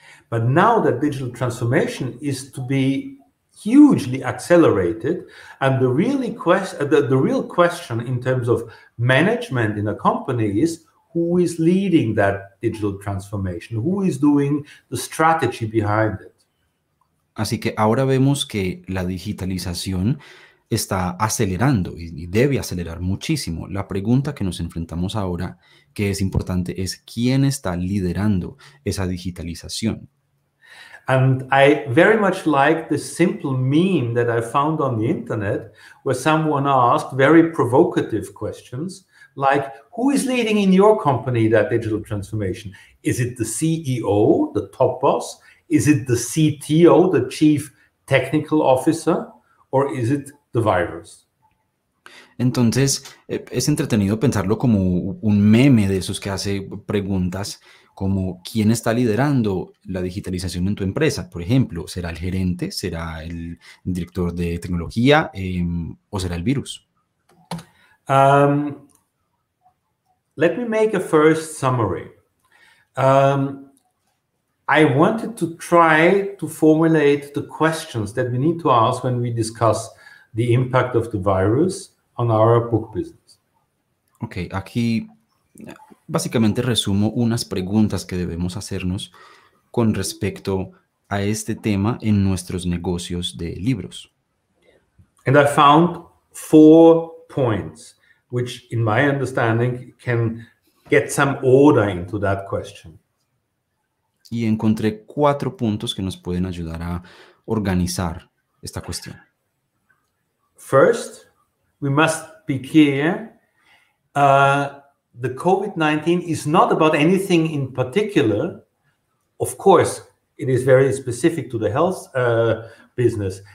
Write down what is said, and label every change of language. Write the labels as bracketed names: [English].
[English] But now that digital transformation is to be hugely accelerated, and the real question in terms of management in a company is who is leading that digital transformation? Who is doing the strategy behind it? [Spanish] Así que ahora vemos que la digitalización está acelerando y debe acelerar muchísimo. La pregunta que nos enfrentamos ahora, que es importante, es ¿quién está liderando esa digitalización? [English] And I very much like the simple meme that I found on the internet where someone asked very provocative questions like, who is leading in your company that digital transformation? Is it the CEO, the top boss? Is it the CTO, the chief technical officer? Or is it the virus? [Spanish] Entonces, es entretenido pensarlo como un meme de esos que hace preguntas como, ¿quién está liderando la digitalización en tu empresa? Por ejemplo, ¿será el gerente? ¿Será el director de tecnología? ¿O será el virus? [English] Let me make a first summary. I wanted to try to formulate the questions that we need to ask when we discuss the impact of the virus on our book business. [Spanish] Okay, aquí básicamente resumo unas preguntas que debemos hacernos con respecto a este tema en nuestros negocios de libros. [English] And I found 4 points. Which, in my understanding, can get some order into that question. [Spanish] Y encontré 4 puntos que nos pueden ayudar a organizar esta cuestión. [English] First, we must be clear, the COVID-19 is not about anything in particular. Of course, it is very specific to the health business.